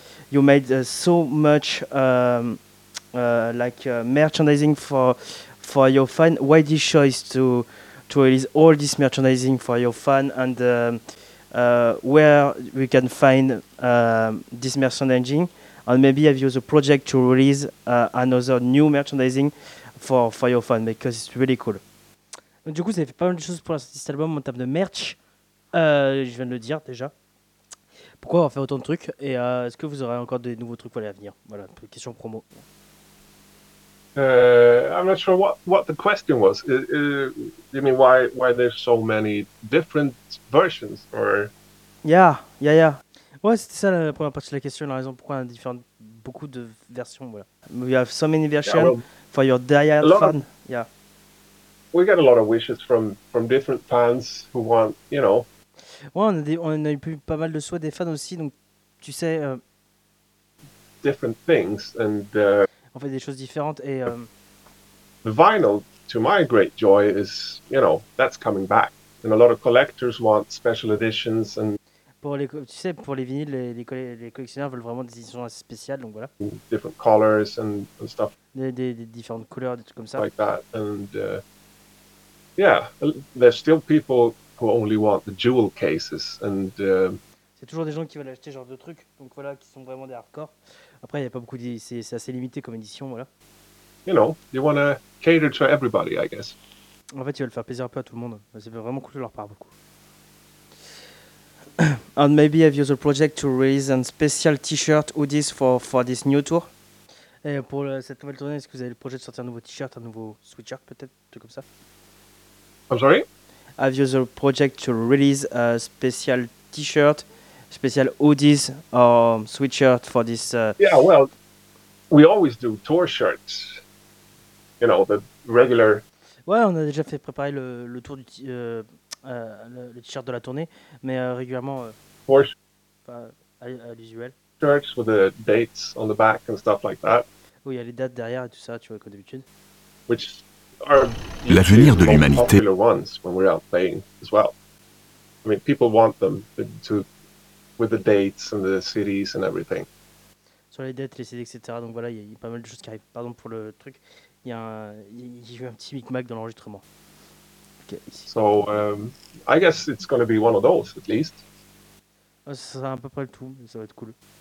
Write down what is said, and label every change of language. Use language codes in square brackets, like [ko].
[en] You made so much merchandising for your fan. Why this choice to release all this merchandising for your fan, and where we can find this merchandising, and maybe have you the project to release another new merchandising. For your fan, because it's really cool. [fr] Donc, du coup, vous avez fait pas mal de choses pour la sortie de cet album en termes de merch. Je viens de le dire déjà. Pourquoi avoir fait autant de trucs, et est-ce que vous aurez encore des nouveaux trucs pour aller à venir? Voilà, question promo. [en] I'm not sure what the question was. You mean why there's so many different versions or? [fr] Yeah. Ouais, c'était ça la première partie de la question, la raison pourquoi on a beaucoup de versions. [en] Voilà. We have so many versions. Yeah, well, for your diehard fan, We get a lot of wishes from different fans who want, you know. [fr] Ouais, on a eu pas mal de souhaits des fans aussi, donc tu sais. [en] Different things and. [fr] On fait des choses différentes et. [en] The vinyl, to my great joy, is, you know, that's coming back, and a lot of collectors want special editions and. [fr] Pour les vinyles, les collectionneurs veulent vraiment des éditions assez spéciales, donc voilà. [en] Different colors and stuff. [fr] Des différentes couleurs, des trucs comme ça. [en] Like that, and yeah, there's still people who only want the jewel cases, and. [fr] C'est toujours des gens qui veulent acheter ce genre de trucs, donc voilà, qui sont vraiment des hardcore. Après, il y a pas beaucoup c'est assez limité comme édition, voilà. [en] You know, you want to cater to everybody, I guess. [fr] En fait, ils veulent faire plaisir un peu à tout le monde. C'est vraiment cool de leur part, beaucoup. [en] And maybe have you the project to release a special t-shirt hoodies for this new tour? [fr] Et pour cette nouvelle tournée, est-ce que vous avez le projet de sortir un nouveau t-shirt, un nouveau sweatshirt peut-être, tout comme ça? [en] I'm sorry? Have you the project to release a special t-shirt, special hoodies or sweatshirt for this? Yeah, well, we always do tour shirts, you know, the regular. [fr] Ouais, on a déjà fait préparer le tour du. Le t-shirt de la tournée, mais régulièrement. À l'usuel. [en] Shirts with the dates on the back and stuff like that. [fr] Où il y a les dates derrière et tout ça, tu vois, comme d'habitude. [en] Which are [fr] l'avenir de l'humanité. [en] Popular ones when we're out playing as well. I mean, people want them to with the dates and the cities and everything. [fr] Sur les dates, les cités, etc. Donc voilà, il y a pas mal de choses qui arrivent. Pardon pour le truc. Il y a eu un petit micmac dans l'enregistrement. [en] Okay. So, I guess it's going to be one of those, at least. [fr] C'est à peu près tout, ça va être cool.